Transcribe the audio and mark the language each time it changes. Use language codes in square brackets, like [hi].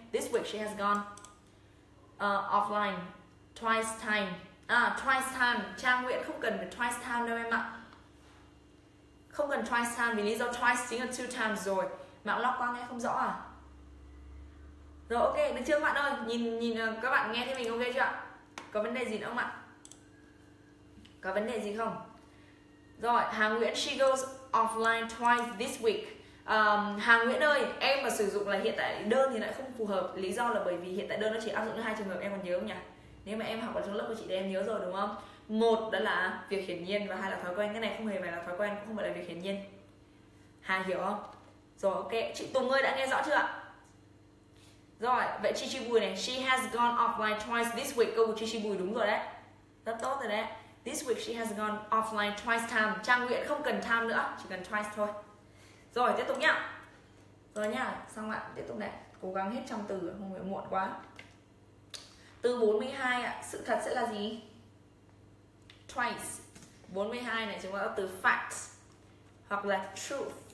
[en] This week she has gone offline twice time. [vi] À, twice time, Trang Nguyễn không cần phải twice time đâu em ạ. Không cần twice time vì lý do twice chính là [en] two times [vi] rồi. Mạng lock qua nghe không rõ à? Rồi, ok, được chưa các bạn ơi? Nhìn các bạn nghe thấy mình ok chưa ạ? Có vấn đề gì nữa không ạ? Có vấn đề gì không? [en] Rồi, Hà Nguyễn, she goes offline twice this week. [vi] Hà Nguyễn ơi, em mà sử dụng là hiện tại đơn thì lại không phù hợp. Lý do là bởi vì hiện tại đơn nó chỉ áp dụng cho hai trường hợp, em còn nhớ không nhỉ? Nếu mà em học ở trong lớp của chị thì em nhớ rồi đúng không? Một đó là việc hiển nhiên và hai là thói quen. Cái này không hề phải là thói quen, cũng không phải là việc hiển nhiên. Hà hiểu không? Rồi ok, chị Tùng ơi đã nghe rõ chưa ạ? Rồi, vậy Chi Chi Bùi này, [en] she has gone offline twice this week. [vi] Câu của Chi Chi Bùi đúng rồi đấy. Rất tốt rồi đấy. [en] This week she has gone offline twice time. [vi] Trang Nguyễn không cần time nữa, chỉ cần twice thôi. Rồi, tiếp tục nhá. Rồi nha, xong ạ, tiếp tục này. Cố gắng hết trong từ, không phải muộn quá. Từ 42 ạ, sự thật sẽ là gì? Twice. 42 này chúng ta có từ facts hoặc là truth.